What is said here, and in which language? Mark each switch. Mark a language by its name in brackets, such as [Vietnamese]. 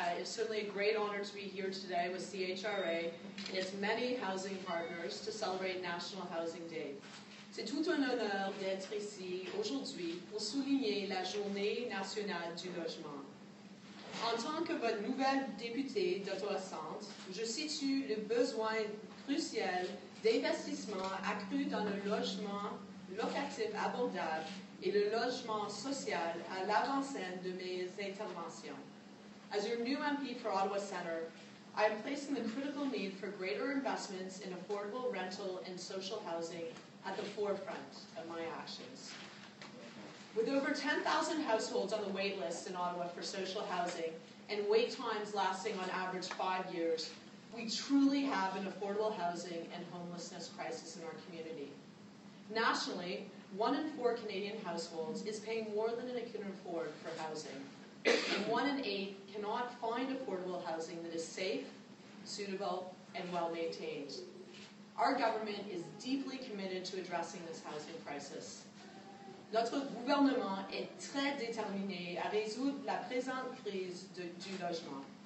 [English] It's certainly a great honor to be here today with CHRA and its many housing partners to celebrate National Housing Day. [French] C'est tout un honneur d'être ici aujourd'hui pour souligner la Journée nationale du logement. En tant que votre nouvelle députée d'Ottawa Centre, je situe le besoin crucial d'investissement accru dans le logement locatif abordable et le logement social à l'avant-scène de mes interventions. [English] As your new MP for Ottawa Centre, I am placing the critical need for greater investments in affordable rental and social housing at the forefront of my actions. With over 10,000 households on the wait list in Ottawa for social housing and wait times lasting on average 5 years, we truly have an affordable housing and homelessness crisis in our community. Nationally, 1 in 4 Canadian households is paying more than it can afford for housing. And 1 in 8 cannot find affordable housing that is safe, suitable, and well-maintained. Our government is deeply committed to addressing this housing crisis. [French] Notre gouvernement est très déterminé à résoudre la présente crise du logement.